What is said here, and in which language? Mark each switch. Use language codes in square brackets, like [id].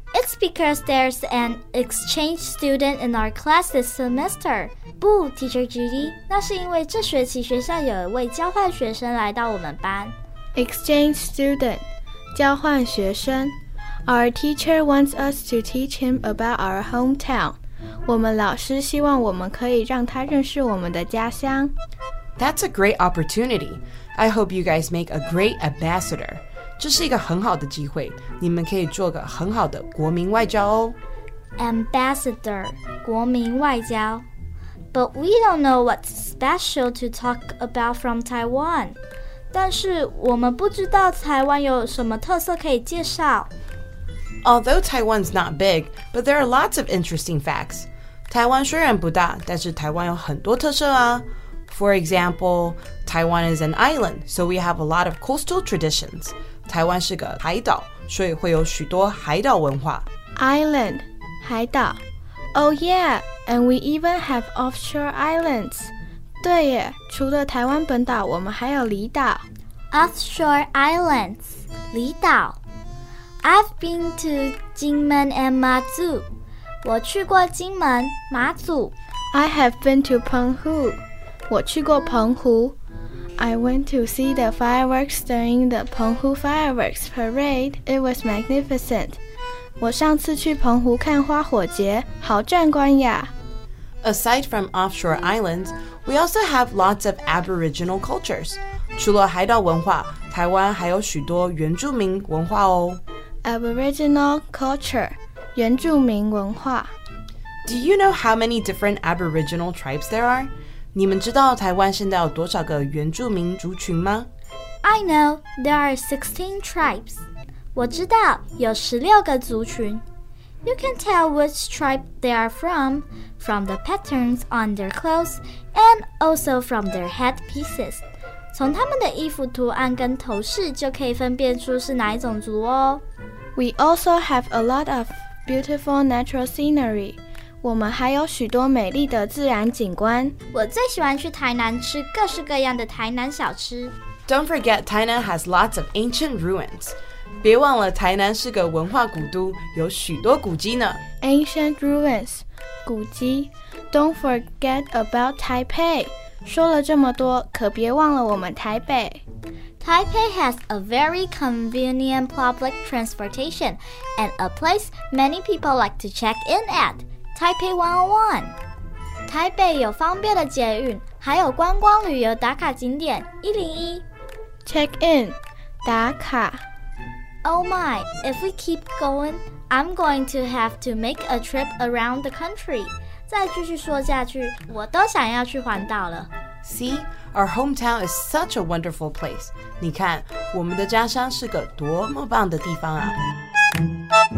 [en] It's because there's an exchange student in our class this semester. [zh] 不 ,Teacher Judy, 那是因为这学期学校有一位交换学生来到我们班。 [en] Exchange student, [zh] 交换学生。 [en] Our teacher wants us to teach him about our hometown. [zh] 我们老师希望我们可以让他认识我们的家乡。 [en] That's a great opportunity. I hope you guys make a great ambassador. [zh] 这是一个很好的机会，你们可以做个很好的国民外交哦。 [en] Ambassador, [zh] 国民外交。 [en] But we don't know what's special to talk about from Taiwan. [zh] 但是我们不知道台湾有什么特色可以介绍。 [en] Although Taiwan's not big, but there are lots of interesting facts. [zh] 台湾虽然不大，但是台湾有很多特色啊。 [en] For example, Taiwan is an island, so we have a lot of coastal traditions. [zh] 台湾是个海岛，所以会有许多海岛文化。 [en] Island, [zh] 海岛。 [en] Oh yeah, and we even have offshore islands. [zh] 对耶，除了台湾本岛，我们还有离岛。 [en] Offshore islands, [zh] 离岛。 [en] I've been to 金门 and 马祖。 [zh] 我去过金门、马祖。 [en] I have been to 澎湖。 [zh] 我去过澎湖。 [en] I went to see the fireworks during the 澎湖 fireworks parade. It was magnificent. [zh] 我上次去澎湖看花火节，好壮观呀。 [en] Aside from offshore islands, we also have lots of aboriginal cultures. [zh] 除了海岛文化，台湾还有许多原住民文化哦。 [en] Aboriginal culture, [zh] 原住民文化。 [en] Do you know how many different aboriginal tribes there are? [zh] 你们知道台湾现在有多少个原住民族群吗？ [en] I know, there are 16 tribes. [zh] 我知道有16个族群。 [en] You can tell which tribe they are from the patterns on their clothes, and also from their headpieces. [zh] 从他们的衣服图案跟头饰就可以分辨出是哪一种族哦。 [en] We also have a lot of beautiful natural scenery. [zh] 我们还有许多美丽的自然景观。我最喜欢去台南吃各式各样的台南小吃。 [en] Don't forget, Tainan has lots of ancient ruins. [zh] 别忘了台南是个文化古都，有许多古迹呢。 [en] Ancient ruins, [zh] 古迹。 [en] Don't forget about Taipei. [zh] 说了这么多，可别忘了我们台北。 [en] Taipei has a very convenient public transportation and a place many people like to check in at. [zh] Taipei 101台北有方便的捷运，还有观光旅游打卡景点101 [en] Check in [zh] 打卡。 [en] Oh my, if we keep going, I'm going to have to make a trip around the country. [zh] 再继续说下去，我都想要去环岛了。 [en] See, our hometown is such a wonderful place. [zh] 你看，我们的家乡是个多么棒的地方啊。